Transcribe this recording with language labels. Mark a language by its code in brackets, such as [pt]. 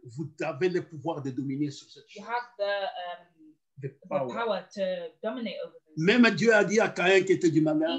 [fr] vous avez le pouvoir de dominer sur cette chose. [en] You have the power to dominate over this. [fr] Même Dieu a dit à Caïn qui était du malin,